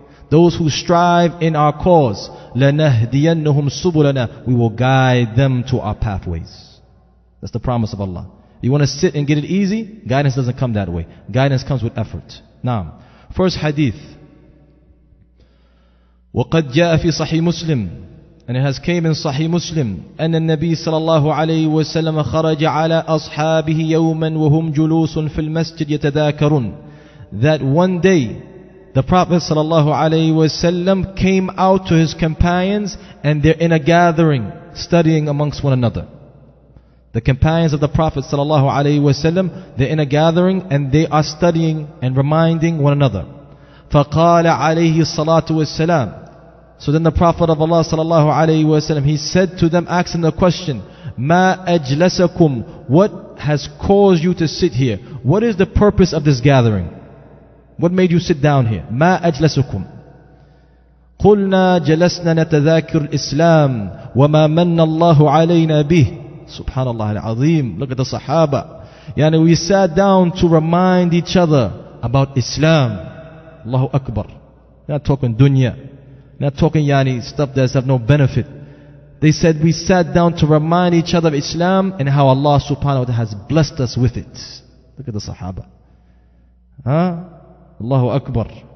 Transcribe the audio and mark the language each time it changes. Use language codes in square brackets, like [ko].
[en] Those who strive in our cause. [ar] لَنَهْدِيَنَّهُمْ سُبُلَنَا [en] We will guide them to our pathways. That's the promise of Allah. You want to sit and get it easy? Guidance doesn't come that way. Guidance comes with effort. Now, first hadith. [ar] وَقَدْ جَاءَ فِي صَحِيْ مُسْلِمْ [en] And it has came in Sahih Muslim. [ar] أن النبي صلى الله عليه وسلم خرج على أصحابه يوما وهم جلوس في المسجد يتذاكرون. [en] That one day, the Prophet صلى الله عليه وسلم came out to his companions and they're in a gathering, studying amongst one another. The companions of the Prophet صلى الله عليه وسلم, they're in a gathering and they are studying and reminding one another. [ar] فقال عليه الصلاة والسلام [en] So then the Prophet of Allah sallallahu alayhi wa sallam, he said to them, asking the question, [ar] مَا أَجْلَسَكُمْ [en] What has caused you to sit here? What is the purpose of this gathering? What made you sit down here? [ar] مَا أَجْلَسَكُمْ قُلْنَا جَلَسْنَا نَتَذَاكِرُ الْإِسْلَامِ وَمَا مَنَّ اللَّهُ عَلَيْنَا بِهِ سُبْحَانَ اللَّهِ الْعَظِيمِ [en] Look at the Sahaba. Yani we sat down to remind each other about Islam. Allahu Akbar. We're not talking dunya. Not talking yani stuff that has no benefit. They said we sat down to remind each other of Islam and how Allah subhanahu wa ta'ala has blessed us with it. Look at the Sahaba. Huh? Allahu Akbar.